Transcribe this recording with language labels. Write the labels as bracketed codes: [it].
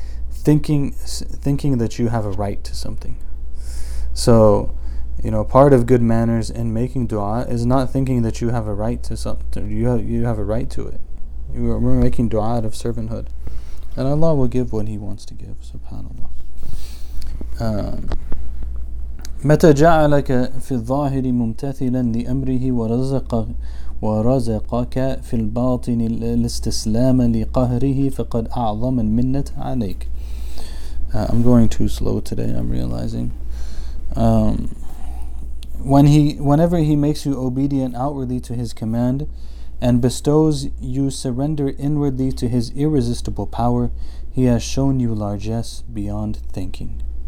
[en] Thinking that you have a right to something. So, you know, part of good manners in making dua is not thinking that you have a right to something. You have a right to it. We're making dua out of servanthood. And Allah will give what He wants to give, subhanAllah. [ar] متى جعلك في الظاهر ممتثلا لأمره ورزقك في الباطن الاستسلام لقهره فقد أعظم المنة عليك. [en] I'm going too slow today, I'm realizing. Whenever He makes you obedient outwardly to His command and bestows you surrender inwardly to His irresistible power, He has shown you largesse beyond thinking.